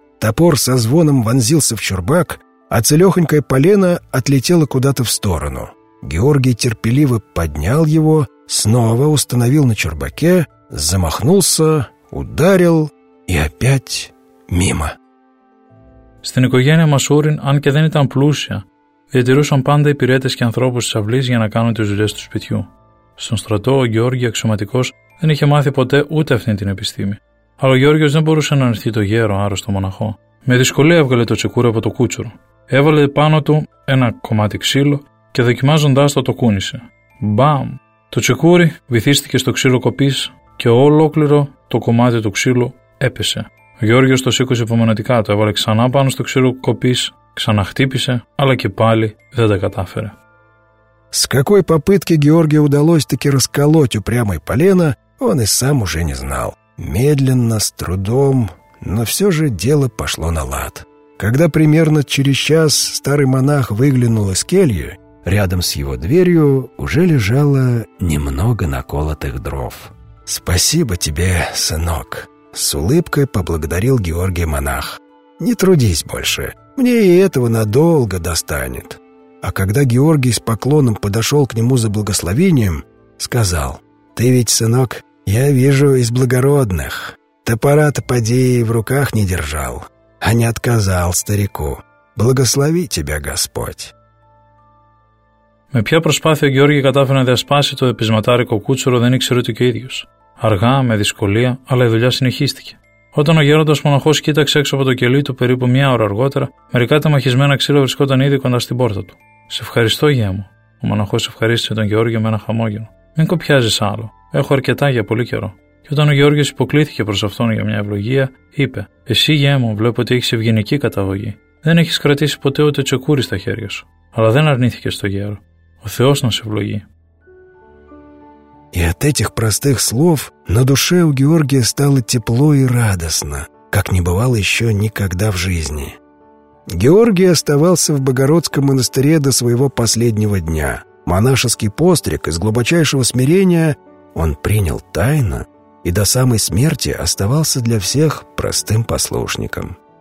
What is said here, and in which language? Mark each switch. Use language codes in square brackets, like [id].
[ru] Топор со звоном вонзился в чурбак, а целехонькое полено отлетело куда-то в сторону. Георгий терпеливо поднял его, снова установил на чурбаке, замахнулся, ударил и опять... Μήμα. [el] Στην οικογένεια Μασούριν, αν και δεν ήταν πλούσια, διατηρούσαν πάντα υπηρέτες και ανθρώπους της αυλής για να κάνουν τις δουλειές του σπιτιού. Στον στρατό, ο Γιώργη, αξιωματικός, δεν είχε μάθει ποτέ ούτε αυτήν την επιστήμη. Αλλά ο Γιώργιος δεν μπορούσε να ανοιχθεί το γέρο άρρωστο μοναχό. Με δυσκολία έβγαλε το τσεκούρι από το κούτσουρο. Έβαλε πάνω του ένα κομμάτι ξύλο και δοκιμάζοντάς το κούνησε. Μπαμ! Το τσεκούρι βυθίστηκε στο ξύλο κοπής και ολόκληρο το κομμάτι του ξύλου έπεσε. Ο Γιώργιος το σήκωσε υπομονετικά, το έβαλε ξανά πάνω στο ξύλο κοπής, ξαναχτύπησε, αλλά και πάλι δεν τα κατάφερε. [ru] С какой попытки Георгию удалось таки расколоть упрямое полено, он и сам уже не знал. Медленно, с трудом, но все же дело пошло на лад. Когда примерно через час старый монах выглянул из кельи, рядом с его дверью уже лежало немного наколотых дров. «Спасибо тебе, сынок». С улыбкой поблагодарил Георгий монах. «Не трудись больше, мне и этого надолго достанет». А когда Георгий с поклоном подошел к нему за благословением, сказал: «Ты ведь, сынок, я вижу, из благородных. Топора-то поди в руках не держал, а не отказал старику. Благослови тебя Господь». [el] Με ποια προσπάθεια Георгий κατάφερε να διασπάσει το επισματάρικο κούτσουρο δεν ήξερε ούτε και ίδιος. Αργά, με δυσκολία, αλλά η δουλειά συνεχίστηκε. Όταν ο γέροντας μοναχός κοίταξε έξω από το κελί του περίπου μία ώρα αργότερα, μερικά τεμαχισμένα ξύλα βρισκόταν ήδη κοντά στην πόρτα του. «Σε ευχαριστώ, γιέ μου», ο μοναχός ευχαρίστησε τον Γεώργιο με ένα χαμόγελο. «Μην κοπιάζεις άλλο. Έχω αρκετά για πολύ καιρό». Και όταν ο Γεώργιος υποκλήθηκε προς αυτόν για μια ευλογία, είπε: «Εσύ, γιέ μου, βλέπω ότι έχεις ευγενική καταγωγή. Δεν έχεις κρατήσει ποτέ ούτε τσεκούρι στα χέρια σου. Αλλά δεν αρνήθηκες το γέρο. Ο Θεός να σε ευλογεί». [ru] И от этих простых слов на душе у Георгия стало тепло и радостно, как не бывало еще никогда в жизни. Георгий оставался в Богородском монастыре до своего последнего дня. Монашеский постриг из глубочайшего смирения он принял тайно и до самой смерти оставался для всех простым послушником.